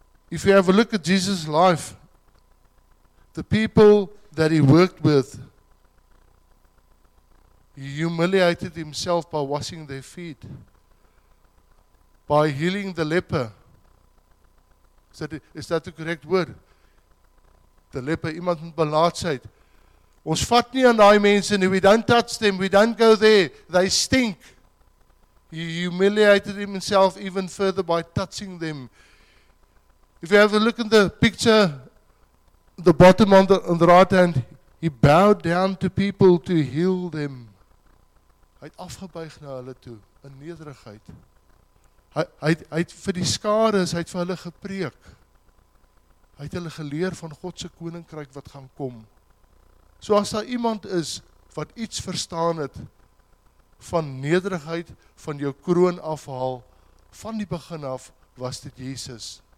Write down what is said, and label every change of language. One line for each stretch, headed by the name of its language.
English: If you have a look at Jesus' life, the people that he worked with, he humiliated himself by washing their feet, by healing the leper. Is that the correct word? The leper,
Afrikaans: iemand met belaatsheid. Ons vat nie aan die mense nie,
English: we don't touch them, we don't go there, they stink. He humiliated himself even further by touching them. If you have a look in the picture, the bottom on the right hand, he bowed down to people to heal them.
Afrikaans: Hy het afgebuig na hulle toe, in nederigheid. Hy het vir die skare, hy het vir hulle gepreek. Hy het hulle geleer van God se koninkryk wat gaan kom. So as daar iemand is wat iets verstaan het van nederigheid, van jou kroon afhaal, van die begin af was dit Jesus.